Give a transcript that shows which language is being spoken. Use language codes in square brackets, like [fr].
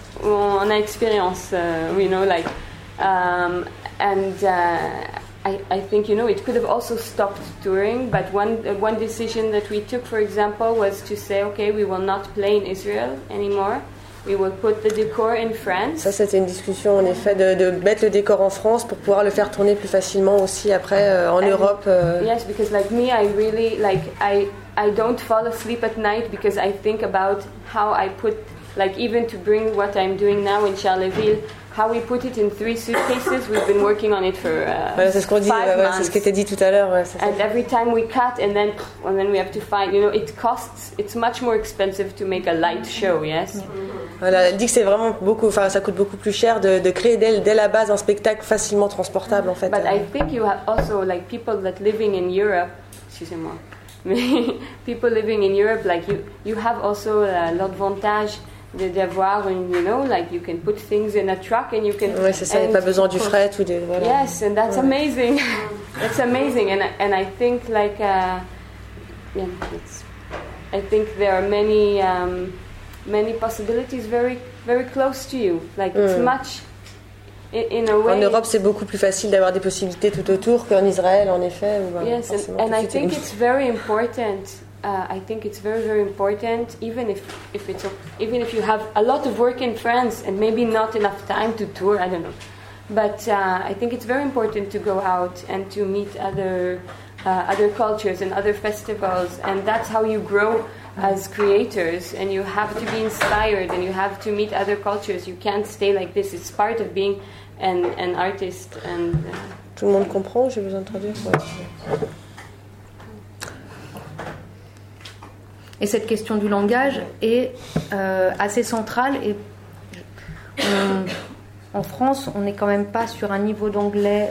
[fr] On a expérience, [en] you know, like, I think, you know, it could have also stopped touring, but one decision that we took, for example, was to say, okay, we will not play in Israel anymore. We will put the decor in France. [fr] Ça, c'était une discussion, en effet, de mettre le décor en France pour pouvoir le faire tourner plus facilement aussi après en [en] and [fr] Europe. [en] Yes, because like me, I really, like, I don't fall asleep at night because I think about how I put... Like even to bring what I'm doing now in Charleville, how we put it in three suitcases, we've been working on it for [fr] voilà, c'est ce qu'on dit, c'est ce qui était dit tout à l'heure. Ouais, [en] and every time we cut, and then we have to find, you know, it costs, it's much more expensive to make a light show, yes? [fr] Voilà, elle dit que c'est vraiment beaucoup, enfin, ça coûte beaucoup plus cher de créer dès la base un spectacle facilement transportable, en fait. [en] But I think you have also, like, people that living in Europe, [fr] excusez-moi, [en] people living in Europe, like, you have also [fr] l'avantage d'avoir, [en] you know, like you can put things in a truck and you can. [fr] Oui, c'est ça. Pas besoin du fret ou des. Voilà. [en] Yes, and that's amazing. That's amazing, and I think like yeah, it's. I think there are many many possibilities very very close to you. Like it's much. In a way. [fr] En Europe, c'est beaucoup plus facile d'avoir des possibilités tout autour qu'en Israël, en effet. Ou, [en] yes, and I think it's very important. I think it's very, very important, even if you have a lot of work in France and maybe not enough time to tour, I don't know. But I think it's very important to go out and to meet other cultures and other festivals, and that's how you grow as creators, and you have to be inspired, and you have to meet other cultures. You can't stay like this. It's part of being an artist. And, [fr] Tout le monde comprend, j'ai besoin de traduire. Ouais. Et cette question du langage est assez centrale. Et en France, on n'est quand même pas sur un niveau d'anglais.